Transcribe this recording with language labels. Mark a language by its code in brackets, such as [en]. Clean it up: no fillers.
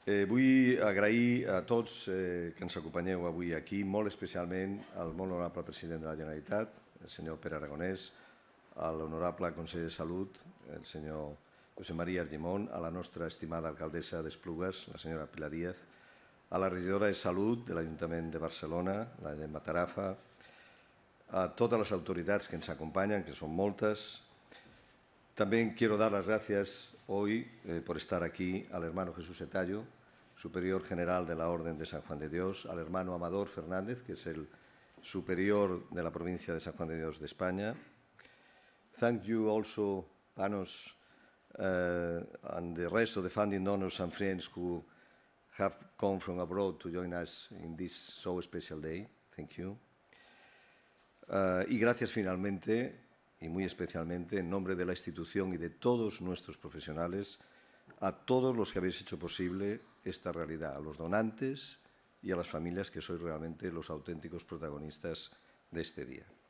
[ca] Vull agrair a tots que ens acompanyeu avui aquí, molt especialment al molt honorable president de la Generalitat, el senyor Pere Aragonès, a l'honorable conseller de Salut, el senyor Josep Maria Argimon, a la nostra estimada alcaldessa d'Esplugues, la senyora Pilar Díaz, a la regidora de Salut de l'Ajuntament de Barcelona, la Gemma Tarafa, a totes les autoritats que ens acompanyen, que són moltes. També [es] quiero dar las gracias hoy por estar aquí al hermano Jesús Etayo, superior general de la Orden de San Juan de Dios, al hermano Amador Fernández, que es el superior de la provincia de San Juan de Dios de España. [en] Thank you also, Panos, and the rest of the founding donors and friends who have come from abroad to join us in this so special day. Thank you. [es] Y gracias finalmente, y muy especialmente, en nombre de la institución y de todos nuestros profesionales, a todos los que habéis hecho posible esta realidad, a los donantes y a las familias que sois realmente los auténticos protagonistas de este día.